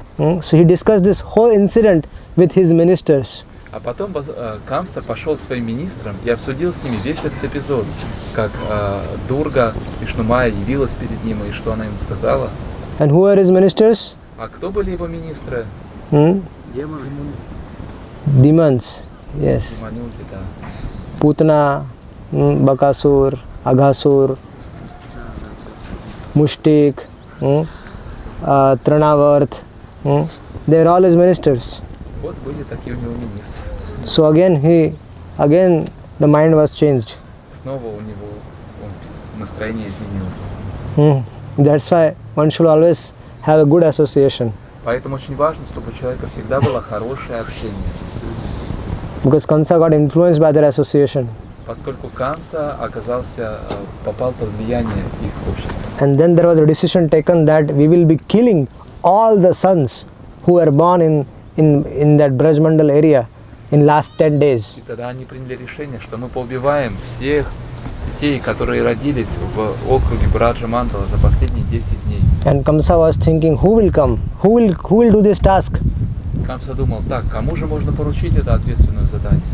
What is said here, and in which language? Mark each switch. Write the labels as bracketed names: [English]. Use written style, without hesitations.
[English] So he discussed this whole incident with his ministers. [Russian] А потом Камса пошел к своим министрам и обсудил с ними весь этот эпизод, как Дурга, Вишну Майя явилась перед ним и что она ему сказала. [English] And who were his ministers? [Russian] А кто были его министры? [English] Demons. Yes. [Russian] Демонюки, да. Путна, Бакасур, Агасур, Муштик, Тринаварт. [English] They were all his ministers. [Russian] Вот были такие у него министры. [English] So again again the mind was changed. [Russian] Снова у него настроение изменилось. [English] That's why one should always have a good association. [Russian] Поэтому очень важно, чтобы у человека всегда было хорошее общение. [English] Because Kamsa got influenced by their association. [Russian] Поскольку Камса оказался попал под влияние их общества. [English] And then there was a decision taken that we will be killing all the sons who were born in that Brajmandal area. In last 10 days. [Russian] И тогда они приняли решение, что мы поубиваем всех детей, которые родились в округе Браджа-Мандала за последние 10 дней. [English] And Kamsa was thinking, who will come? Who will do this task? [Russian] Камса думал, так, кому же можно поручить это ответственное задание?